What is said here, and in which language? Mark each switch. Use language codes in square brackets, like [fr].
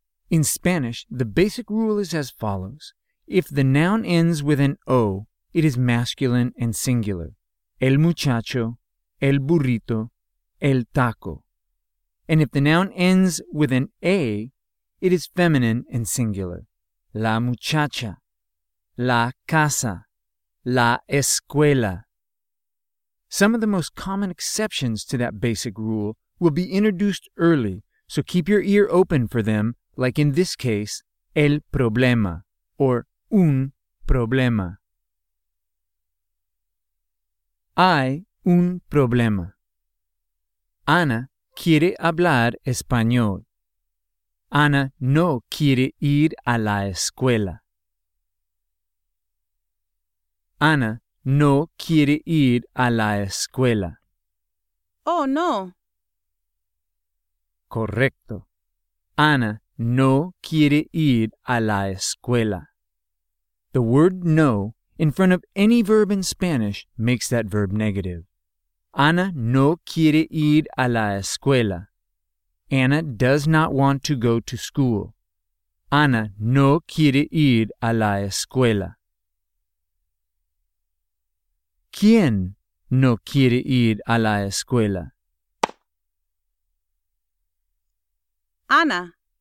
[en] In Spanish, the basic rule is as follows. If the noun ends with an O, it is masculine and singular. [es] El muchacho, el burrito, el taco. [en] And if the noun ends with an A, it is feminine and singular. [es] La muchacha, la casa, la escuela. [en] Some of the most common exceptions to that basic rule will be introduced early, so keep your ear open for them, like in this case, [es] el problema, [en] or [es] un problema. Hay un problema. Ana quiere hablar español. Ana no quiere ir a la escuela. Ana no quiere ir a la escuela. Oh, no. Correcto. Ana no quiere ir a la escuela. [en] The word no in front of any verb in Spanish makes that verb negative. [es] Ana no quiere ir a la escuela. [en] Anna does not want to go to school. [es] Ana no quiere ir a la escuela. ¿Quién no quiere ir a la escuela? Ana.